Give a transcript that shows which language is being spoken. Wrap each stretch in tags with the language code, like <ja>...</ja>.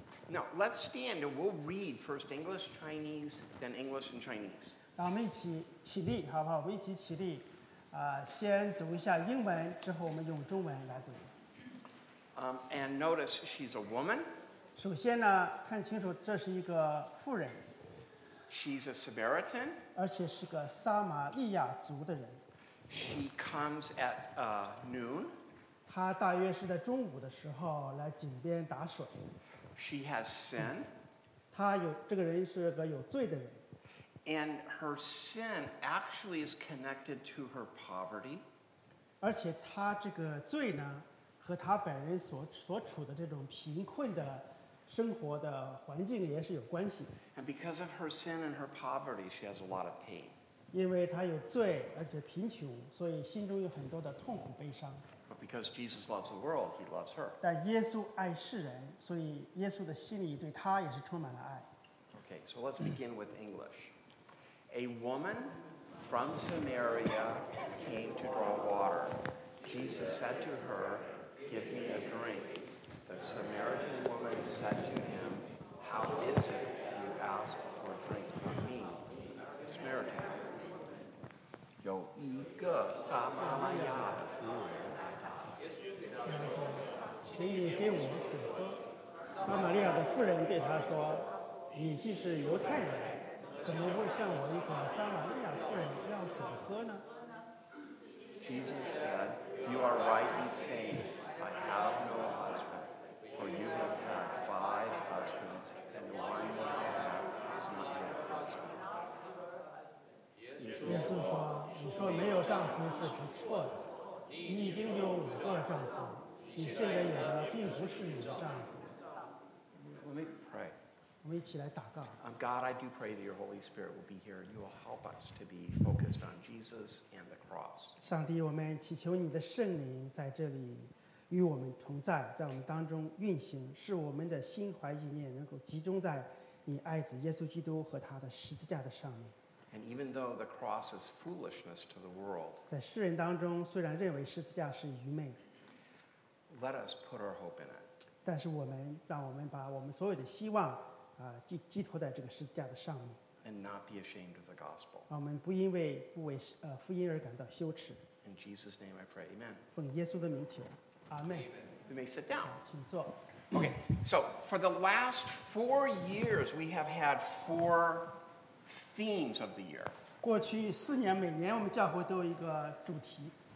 <en>Now let's stand and we'll read first English, Chinese, then English and Chinese.</en> <zh>那我们一起起立，好不好？我们一起起立，先读一下英文，之后我们用中文来读。</zh> <en>And notice she's a woman.</en> <zh>首先呢，看清楚这是一个妇人。</zh> <en>She's a Samaritan.</en> <zh>而且是个撒玛利亚族的人。</zh> <en>She comes at noon.</en> <zh>她大约是在中午的时候来井边打水。</zh> <en>She has sin.</en> <zh>她有这个人是个有罪的人。</zh> <en>And her sin actually is connected to her poverty.</en> <zh>而且她这个罪呢，和她本人所处的这种贫困的生活的环境也是有关系。</zh> <en>And because of her sin and her poverty, she has a lot of pain.</en> <zh>因为她有罪，而且贫穷，所以心中有很多的痛苦悲伤。</zh> <en>But because Jesus loves the world, he loves her.</en> <zh>但耶稣爱世人，所以耶稣的心里对他也是充满了爱。</zh> <en>Okay, so let's begin with English. A woman from Samaria came to draw water. Jesus said to her, "Give me a drink." The Samaritan woman said to him, "How is it you ask for a drink from me, the Samaritan?"</en> <zh>有一个撒玛利亚的妇人。请你给我水喝。撒玛利亚的妇人对他说：“你既是犹太人，怎么会向我一个撒玛利亚妇人要水喝呢？”</zh> <en>Jesus said, "You are right in saying, 'I have no husband, for you have had five husbands, and the one you have is not your husband.'"</en> <zh>耶稣说：“你说没有丈夫是很错的。” 你已经有五个丈夫，你现在有的并不是你的丈夫。</zh> <en>Let me pray.</en> <zh>我们一起来祷告。</zh> <en>God, I do pray that your Holy Spirit will be here and you will help us to be focused on Jesus and the cross.</en> <zh>上帝，我们祈求你的圣灵在这里与我们同在，在我们当中运行，使我们的心怀意念能够集中在你爱子耶稣基督和他的十字架的上面。</zh> <en>And even though the cross is foolishness to the world,</en> <zh>在世人当中，虽然认为十字架是愚昧，</zh> <en>let us put our hope in it.</en> <zh>但是我们让我们把我们所有的希望啊寄托在这个十字架的上面。</zh> <en>And not be ashamed of the gospel.</en> <zh>让我们不因为福音而感到羞耻。</zh> <en>In Jesus' name, I pray. Amen.</en> <zh>奉耶稣的名求，阿门。</zh> <en>You may sit down.</en> <zh>请坐。</zh> <en>Okay. So for the last 4 years, we have had four themes of the year.</en> <zh>过去四年，每年我们教会都有一个主题。</zh>